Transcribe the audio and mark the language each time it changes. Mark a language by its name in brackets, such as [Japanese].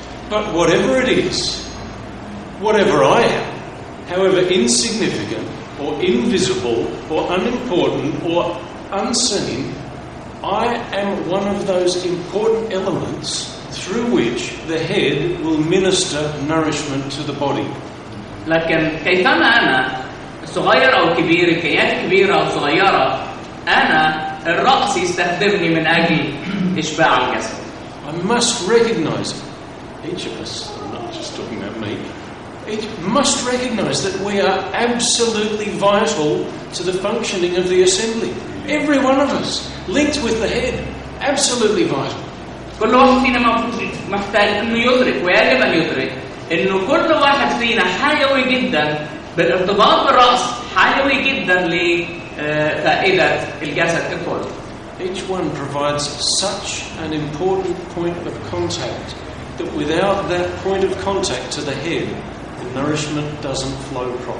[English] But whatever it is, whatever I am, however insignificant or invisible or unimportant or unseen, I am one of those important elements through which the head will minister nourishment to the body. [Arabic] لكن كيفما أنا صغير أو كبير كيان كبير أو صغيرة أنا الرأس يستخدمني من أجل إشباع الجسم. [English] I must recognize it. Each of us, I'm not just talking about me, each must recognize that we are absolutely vital to the functioning of the assembly. Every one of us, linked with the head, absolutely vital. [Arabic] كل واحد فينا محتاج انه يدرك ويجب ان يدرك انه كل واحد فينا حيوي جدا بالارتباط بالراس حيوي جدا لفائده الجسد ككل. [English] Each one provides such an important point of contact that without that point of contact to the head, the nourishment doesn't flow